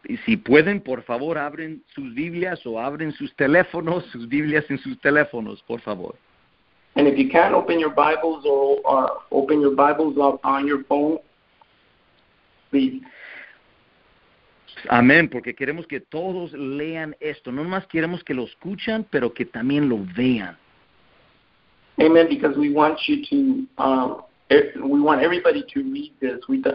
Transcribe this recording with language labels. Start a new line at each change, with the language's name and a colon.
Spanish: Y si pueden, por favor, abren sus Biblias o abren sus Biblias en sus teléfonos, por favor.
English: And if you can, open your Bibles or open your Bibles up on your phone, please.
Spanish: Amén, porque queremos que todos lean esto. No más queremos que lo escuchen, pero que también lo vean.
English: Amen, because we want you to... We want everybody to read this.